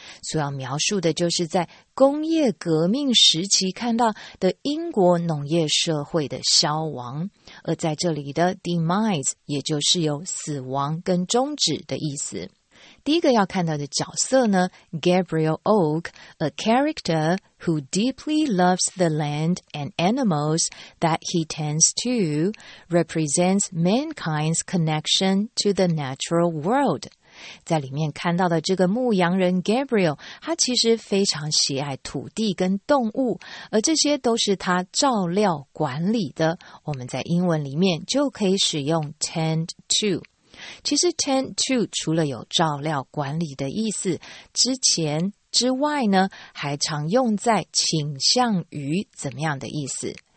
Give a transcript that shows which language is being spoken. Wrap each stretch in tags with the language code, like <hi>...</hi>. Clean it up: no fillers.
<zh>所要描述的就是在工业革命时期看到的英国农业社会的消亡，而在这里的 demise 也就是有死亡跟终止的意思。第一个要看到的角色呢，</zh> <en>Gabriel Oak, a character who deeply loves the land and animals that he tends to, represents mankind's connection to the natural world.</en> <zh>在里面看到的这个牧羊人 Gabriel, 他其实非常喜爱土地跟动物，而这些都是他照料管理的。我们在英文里面就可以使用 tend to。其实 tend to 除了有照料管理的意思之外呢，还常用在倾向于怎么样的意思。</zh>